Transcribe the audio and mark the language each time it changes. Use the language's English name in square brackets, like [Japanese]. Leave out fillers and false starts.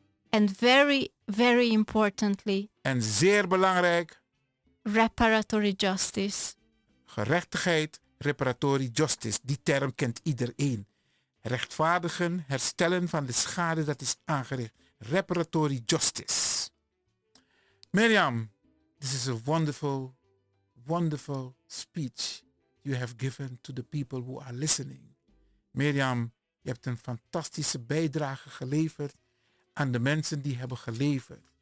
[English] And very, very importantly, [Dutch] en zeer belangrijk, [English] reparatory justice. [Dutch] Gerechtigheid, [English] reparatory justice. [Dutch] Die term kent iedereen. Rechtvaardigen, herstellen van de schade dat is aangericht. [English] Reparatory justice. Mirjam, this is a wonderful, wonderful speech you have given to the people who are listening. [Dutch] Mirjam, je hebt een fantastische bijdrage geleverd aan de mensen die hebben geleefd.